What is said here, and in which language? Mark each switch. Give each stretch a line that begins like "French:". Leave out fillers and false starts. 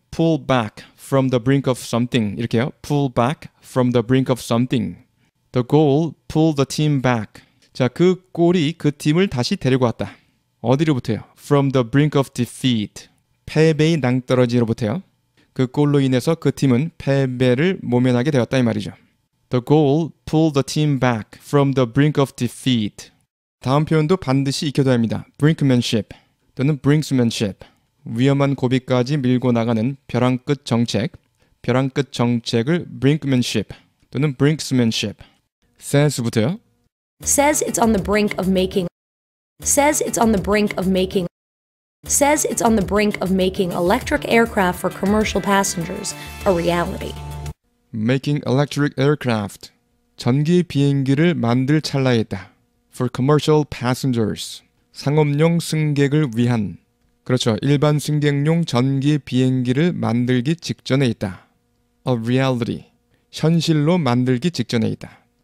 English: Pull back from the brink of something.
Korean: 이렇게요.
English: Pull back from the brink of something. The goal pulled the team back.
Korean: 자, 그 골이 그 팀을 다시 데리고 왔다. 어디로부터요?
English: From the brink of defeat.
Korean: 패배의 낭떠러지로부터요. 그 골로 인해서 그 팀은 패배를 모면하게 되었다 이 말이죠.
English: The goal pulled the team back from the brink of defeat.
Korean: 다음 표현도 반드시 익혀둬야 합니다.
English: Brinkmanship 또는 Brinksmanship.
Korean: 위험한 고비까지 밀고 나가는 벼랑 끝 정책. 벼랑 끝 정책을 Brinkmanship 또는 Brinksmanship. Says부터요.
English: Says it's on the brink of making. Says it's on the brink of making. Says it's on the brink of making electric aircraft for commercial passengers a reality. Making electric aircraft.
Korean: 전기 비행기를 만들 찰나에 있다.
English: For commercial passengers.
Korean: 상업용 승객을 위한. 그렇죠. 일반 승객용 전기 비행기를 만들기 직전에 있다.
English: A reality.
Korean: 현실로 만들기 직전에 있다.